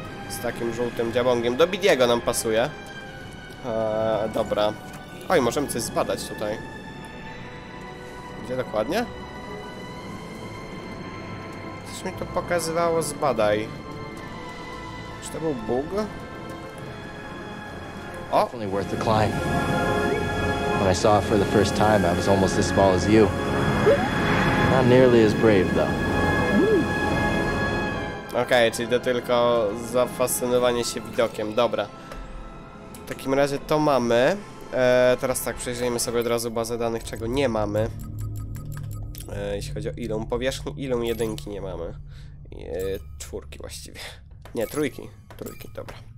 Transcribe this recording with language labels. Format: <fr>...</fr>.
<pl>Z takim żółtym dziabongiem. Do Bidiego nam pasuje. Dobra. Oj, możemy coś zbadać tutaj. Gdzie dokładnie? Coś mi to pokazywało, zbadaj. Czy to był bug? O!</pl> <en>Definitely worth the climb. When I saw it for the first time, I was almost as small as you. Not nearly as brave, though.</en> <pl>Okej, czyli to tylko zafascynowanie się widokiem. Dobra. W takim razie to mamy. Teraz tak, przejrzyjmy sobie od razu bazę danych, czego nie mamy. Jeśli chodzi o Ilum, powierzchni Ilum jedynki nie mamy. Czwórki właściwie. Nie, trójki. Trójki, dobra.</pl>